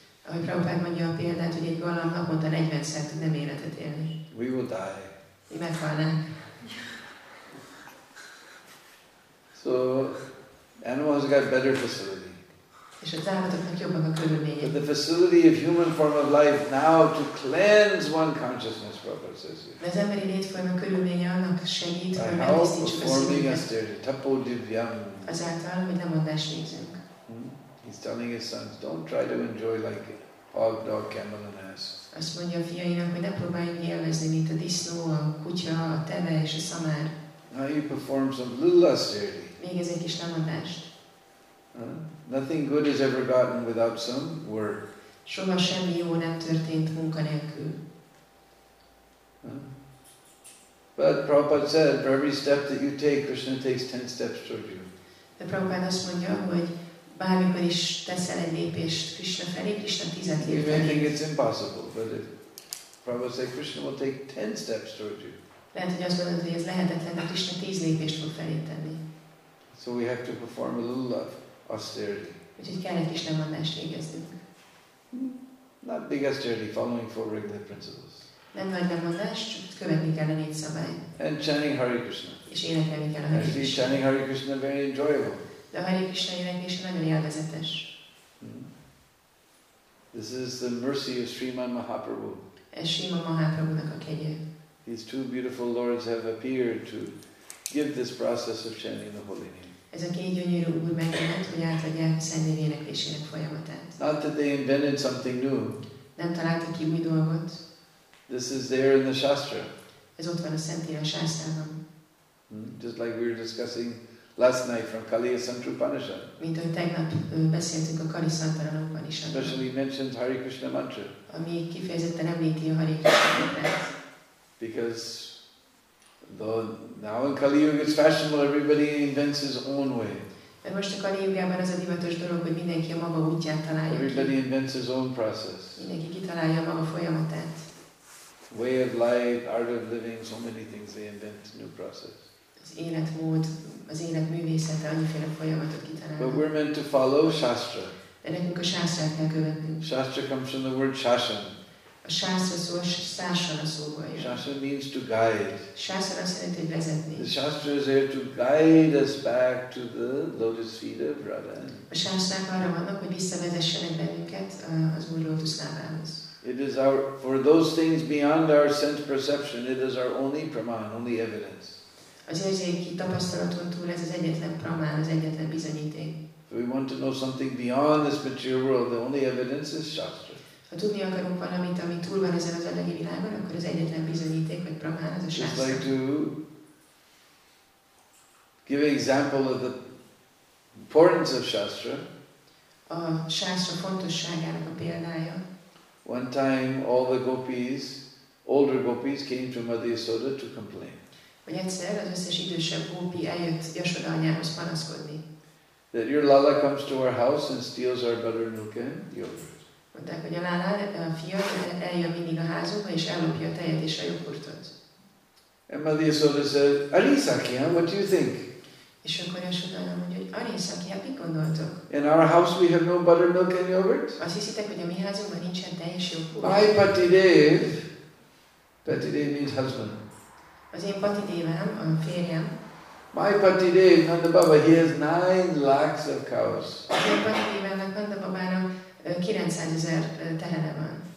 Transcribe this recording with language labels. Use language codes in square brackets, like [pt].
[hu] Ahogy Prabhupada mondja a példát, hogy egy galamb naponta 40-szer tud nem életet élni. [en] We will die. [hu] Mi meghalnánk. [en] So, animals has got better facility. [hu] És az állatoknak jobbak a körülmények. [en] But the facility of human form of life now to cleanse one consciousness, Prabhupada says. [hu] Az emberi létforma körülménye annak segít, hogy megtisztítsuk a szívünket. [sa] Tapo divyam. [hu] Azáltal, hogy lemondást végzünk. [en] He's telling his sons, don't try to enjoy like hog, dog, camel, and ass. [hu] Azt mondja a fiainak, hogy ne próbáljunk élvezni, mint a disznó, a kutya, a teve és a szamár. [en] Now you perform some little austerity. [hu] Még ez egy kis lemondást. [en] Nothing good is ever gotten without some work. [hu] Soha semmi jó nem történt munka nélkül. [en] But Prabhupada said, for every step that you take, Krishna takes 10 steps toward you. [hu] De Prabhupada azt mondja, hogy bármikor is teszel egy lépést Krishna felé, Krishna 10 lépést. [en] You may think it's impossible, but if Prabhupada said Krishna will take 10 steps toward you. [hu] Lehet, hogy azt gondolod, hogy ez lehetetlen, de Krishna 10 lépést fog felé tenni. [en] So we have to perform a little of austerity. [hu] Úgyhogy kell egy kis lemondást végeznünk. [en] Not big austerity, following four regular principles. [hu] Nem nagy lemondást, csak követni kell a négy szabályt. [en] And chanting Hare Krishna. [hu] És énekelni kell a Hare Krishna. [en] Actually, chanting Hare Krishna very enjoyable. [hu] De a Hare Krishna énekése nagyon élvezetes. [en] This is the mercy of Sriman Mahaprabhu. [hu] Ez Sriman Mahaprabhu-nak a kegye. [en] These two beautiful lords have appeared to give this process of chanting the holy name. [hu] Ez a két gyönyörű úr megjelent, hogy átadják a szent név éneklésének folyamatát. [en] Not that they invented something new. [hu] Nem találtak ki új dolgot. [en] This is there in the Shastra. [hu] Ez ott van a szentírás Shastrában. [en] Just like we were discussing last night from Kaliya Santra Upanishad. [hu] Mint ahogy tegnap beszéltünk a Kali Santra Upanishadban. [en] Especially mentions Hare Krishna mantra. [hu] Ami kifejezetten említi a Hare Krishna mantrát. [en] Because though now in Kali Yuga it's fashionable, everybody invents his own way. [hu] Mert most a Kali Yugában az a divatos dolog, hogy mindenki a maga útját találja. [en] Everybody invents his own process. [hu] Mindenki kitalálja a maga folyamatát. [en] Way of life, art of living, so many things they invent new process. [hu] Az életmód, az élet művészete, annyiféle folyamatot kitalálnak. [en] But we're meant to follow Shastra. [hu] De nekünk a Shastrát kell követnünk. [en] Shastra comes from the word Shashan. [hu] A Shastra szó, Shashan a szóval jön. [en] Shashan means to guide. [hu] Shashan azt jelenti, hogy vezetni. [en] The Shastra is here to guide us back to the lotus feet of Radha. [hu] A Shastrák arra vannak, hogy visszavezessenek bennünket az új lotus lábához. [en] It is our, for those things beyond our sense perception, it is our only praman, only evidence. [hu] Az érzéki tapasztalaton túl ez az egyetlen pramán, az egyetlen bizonyíték. [en] If we want to know something beyond this material world, the only evidence is Shastra. [hu] Ha tudni akarunk valamit, ami túl van ezen az anyagi világon, akkor az egyetlen bizonyíték, hogy Brahman az a sászta. [en] Just like to give an example of the importance of Shastra. [hu] A sászta fontosságának a példája. [en] One time all the gopis, older gopis came to Mother Yasoda to complain. [hu] Hogy egyszer az összes idősebb gópi eljött Yasoda anyához panaszkodni. [en] That your Lala comes to our house and steals our butter milk and yogurt. [hu] Mondták, hogy a Lala a fia eljön mindig a házunkba és ellopja a tejet és a jogurtot. [en] And Mother Yasoda said, Arisakiya, what do you think? [hu] És akkor Yasoda anya mondja, hogy Arisakiya, mit gondoltok? [en] In our house we have no butter milk and yogurt? [hu] Azt hiszitek, hogy a mi házunkban nincsen tej és jogurt? [en] My Patidev, Patidev means husband. [hu] Az én Patidevem, a férjem. [en] My Patidev, Nanda Baba, he has 9 lakhs of cows. [hu] Én Patidevem, Nanda Babának 900,000 tehene van.